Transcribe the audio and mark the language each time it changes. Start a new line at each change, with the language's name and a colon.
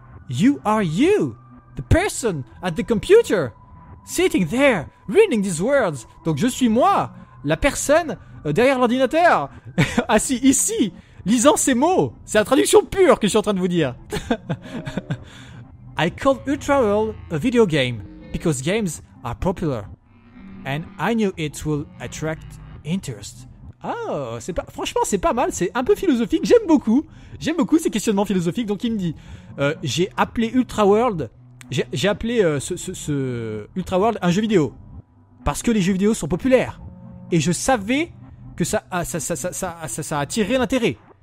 English: You are you. The person at the computer. Sitting there, reading these words.
French: Donc je suis moi. La personne derrière l'ordinateur. Assis ici. Lisant ces mots, c'est la traduction pure que je suis en train de vous dire.
English: I called Ultraworld a video game because games are popular. And I knew it will attract interest.
French: Oh, c'est pas, franchement, c'est pas mal, c'est un peu philosophique. J'aime beaucoup ces questionnements philosophiques. Donc il me dit, j'ai appelé Ultraworld, j'ai appelé ce Ultraworld un jeu vidéo. Parce que les jeux vidéo sont populaires. Et je savais que ça a attiré l'intérêt.